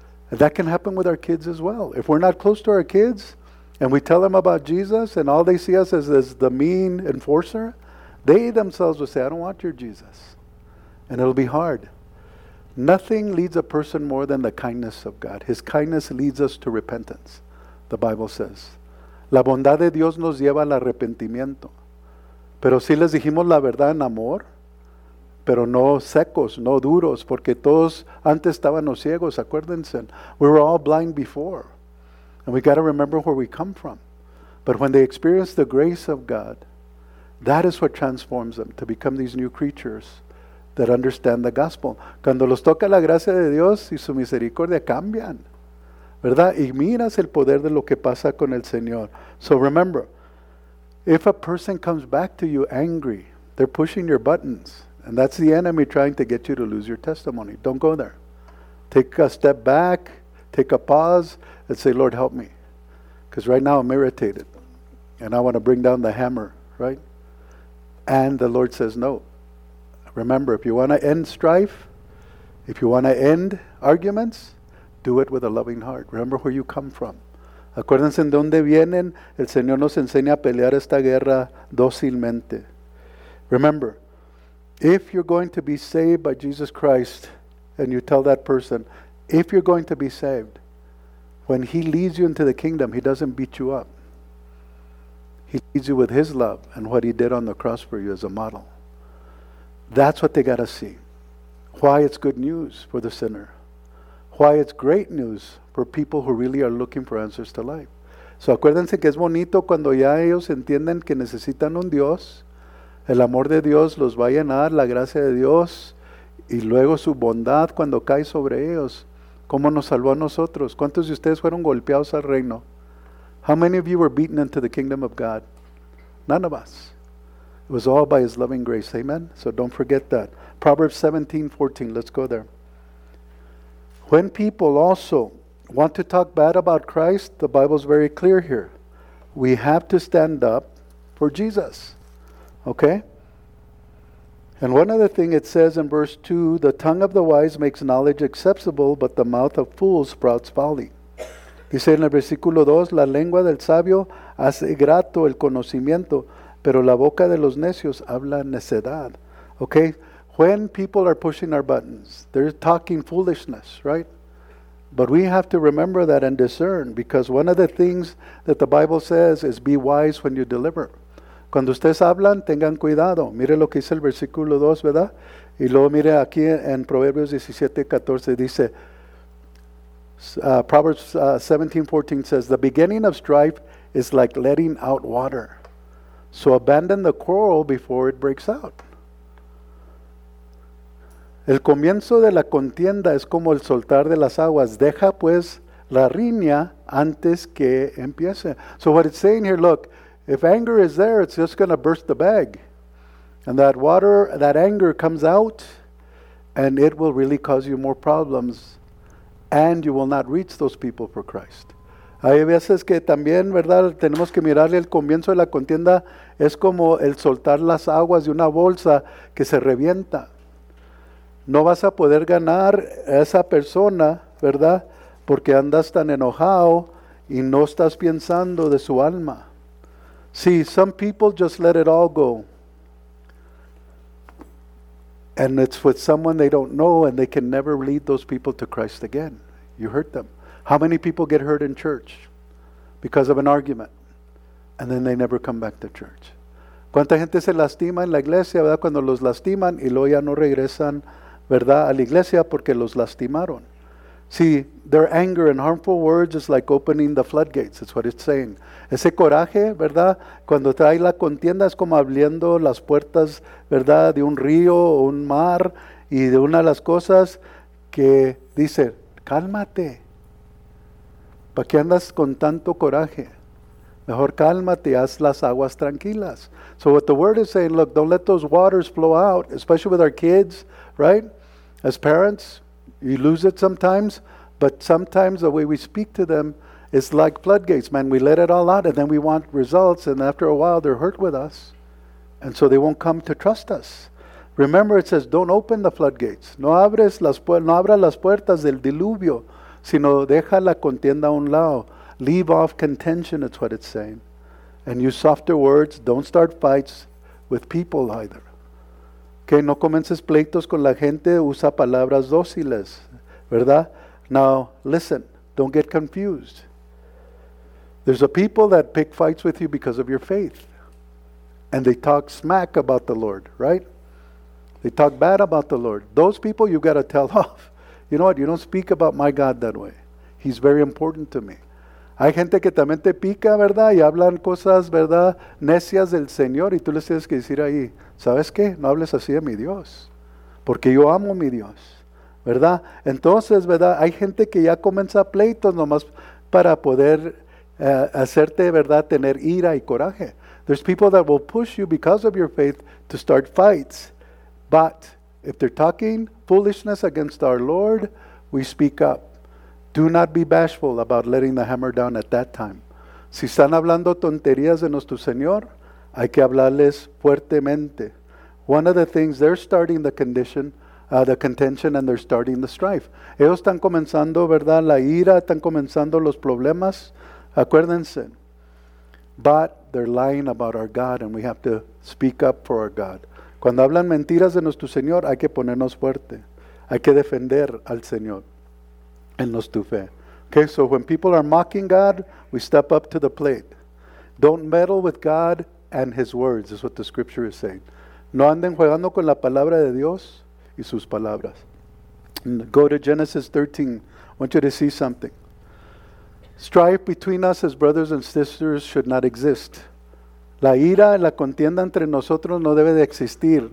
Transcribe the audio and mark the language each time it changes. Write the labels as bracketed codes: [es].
[en] And that can happen with our kids as well. If we're not close to our kids and we tell them about Jesus and all they see us as the mean enforcer, they themselves will say, I don't want your Jesus. And it'll be hard. Nothing leads a person more than the kindness of God. His kindness leads us to repentance, the Bible says. [es] La bondad de Dios nos lleva al arrepentimiento. Pero sí les dijimos la verdad en amor, pero no secos, no duros, porque todos antes estábamos ciegos, acuérdense. [en] We were all blind before. And we got to remember where we come from. But when they experience the grace of God, that is what transforms them to become these new creatures that understand the gospel. [es] Cuando los toca la gracia de Dios y su misericordia, cambian. ¿Verdad? Y miras el poder de lo que pasa con el Señor. [en] So remember, if a person comes back to you angry, they're pushing your buttons, and that's the enemy trying to get you to lose your testimony. Don't go there. Take a step back, take a pause, and say, Lord, help me. Because right now I'm irritated, and I want to bring down the hammer, right? And the Lord says no. Remember, if you want to end strife, if you want to end arguments, do it with a loving heart. Remember where you come from. [es] Acuérdense de dónde vienen. El Señor nos enseña a pelear esta guerra dócilmente. [en] Remember, if you're going to be saved by Jesus Christ, and you tell that person, if you're going to be saved, when he leads you into the kingdom, he doesn't beat you up. He leads you with his love, and what he did on the cross for you as a model. That's what they got to see. Why it's good news for the sinner. Why it's great news for people who really are looking for answers to life. [es] So acuérdense que es bonito cuando ya ellos entienden que necesitan un Dios, el amor de Dios los va a llenar, la gracia de Dios, y luego su bondad cuando cae sobre ellos. ¿Cómo nos salvó a nosotros? ¿Cuántos de ustedes fueron golpeados al reino? [en] How many of you were beaten into the kingdom of God? None of us. It was all by his loving grace. Amen? So don't forget that. Proverbs 17:14. Let's go there. When people also want to talk bad about Christ, the Bible's very clear here. We have to stand up for Jesus. Okay? And one other thing it says in verse 2, the tongue of the wise makes knowledge acceptable, but the mouth of fools sprouts folly. [es] Dice en el versículo 2, la lengua del sabio hace grato el conocimiento, pero la boca de los necios habla necedad. [en] Okay? When people are pushing our buttons, they're talking foolishness, right? But we have to remember that and discern, because one of the things that the Bible says is be wise when you deliver. [es] Cuando ustedes hablan, tengan cuidado. Mire lo que dice el versículo 2, ¿verdad? Y luego mire aquí en Proverbios 17:14, dice, [en] Proverbs 17:14 says, the beginning of strife is like letting out water. So abandon the quarrel before it breaks out. [es] El comienzo de la contienda es como el soltar de las aguas. Deja pues la riña antes que empiece. [en] So what it's saying here, look, if anger is there, it's just going to burst the bag. And that water, that anger comes out, and it will really cause you more problems, and you will not reach those people for Christ. [es] Hay veces que también, ¿verdad?, tenemos que mirarle el comienzo de la contienda. Es como el soltar las aguas de una bolsa que se revienta. No vas a poder ganar a esa persona, ¿verdad?, porque andas tan enojado y no estás pensando de su alma. [en] See, some people just let it all go. And it's with someone they don't know, and they can never lead those people to Christ again. You hurt them. How many people get hurt in church because of an argument, and then they never come back to church? [es] ¿Cuánta gente se lastima en la iglesia, verdad, cuando los lastiman y luego ya no regresan, verdad, a la iglesia porque los lastimaron? [en] See, their anger and harmful words is like opening the floodgates. That's what it's saying. [es] Ese coraje, ¿verdad? Cuando trae la contienda es como abriendo las puertas, ¿verdad? De un río o un mar y de una de las cosas que dice, cálmate. ¿Para qué andas con tanto coraje? Mejor cálmate, haz las aguas tranquilas. [en] So what the word is saying, look, don't let those waters flow out, especially with our kids, right? As parents, you lose it sometimes, but sometimes the way we speak to them is like floodgates, man. We let it all out, and then we want results, and after a while, they're hurt with us, and so they won't come to trust us. Remember, it says, don't open the floodgates. [es] No abras las puertas del diluvio, sino deja la contienda a un lado. [en] Leave off contention, it's what it's saying. And use softer words. Don't start fights with people either. [es] Que no comiences pleitos con la gente, usa palabras dóciles, ¿verdad? [en] Now, listen, don't get confused. There's a people that pick fights with you because of your faith. And they talk smack about the Lord, right? They talk bad about the Lord. Those people you've got to tell off. You know what? You don't speak about my God that way. He's very important to me. [es] Hay gente que también te pica, ¿verdad? Y hablan cosas, ¿verdad? Necias del Señor. Y tú les tienes que decir ahí, ¿sabes qué? No hables así de mi Dios. Porque yo amo mi Dios. ¿Verdad? Entonces, ¿verdad? Hay gente que ya comienza pleitos nomás para poder hacerte, ¿verdad? Tener ira y coraje. [en] There's people that will push you because of your faith to start fights. But if they're talking foolishness against our Lord, we speak up. Do not be bashful about letting the hammer down at that time. [es] Si están hablando tonterías de nuestro Señor, hay que hablarles fuertemente. [en] One of the things, they're starting the contention and they're starting the strife. [es] Ellos están comenzando, ¿verdad? La ira, están comenzando los problemas. Acuérdense. [en] But they're lying about our God, and we have to speak up for our God. [es] Cuando hablan mentiras de nuestro Señor, hay que ponernos fuerte. Hay que defender al Señor. En nuestra fe. [en] Okay, so when people are mocking God, we step up to the plate. Don't meddle with God and his words, is what the scripture is saying. [es] No anden jugando con la palabra de Dios y sus palabras. [en] And go to Genesis 13. I want you to see something. Strife between us as brothers and sisters should not exist. [es] La ira y la contienda entre nosotros no debe de existir.